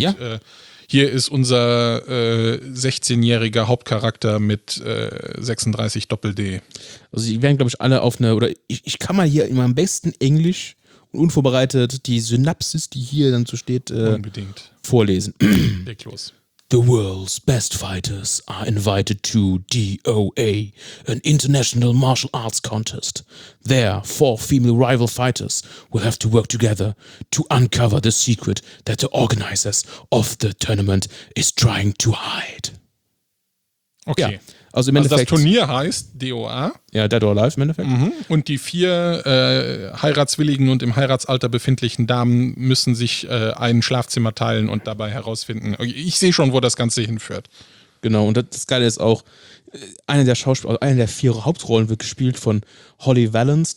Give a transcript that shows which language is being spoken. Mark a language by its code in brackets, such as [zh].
[de] ja. Hier ist unser 16-jähriger Hauptcharakter mit 36 Doppel-D. Also die werden, glaube ich, alle auf eine, oder ich kann mal hier in meinem besten Englisch und unvorbereitet die Synapsis, die hier dann so steht, unbedingt vorlesen. Leg los. [en] The world's best fighters are invited to DOA, an international martial arts contest. There, four female rival fighters will have to work together to uncover the secret that the organizers of the tournament is trying to hide. [de] Okay. Ja, also im Endeffekt, das Turnier heißt DOA. Ja, Dead or Alive im Endeffekt. Mhm. Und die vier heiratswilligen und im Heiratsalter befindlichen Damen müssen sich ein Schlafzimmer teilen und dabei herausfinden. Ich sehe schon, wo das Ganze hinführt. Genau, und das Geile ist auch, eine der vier Hauptrollen wird gespielt von Holly Valance.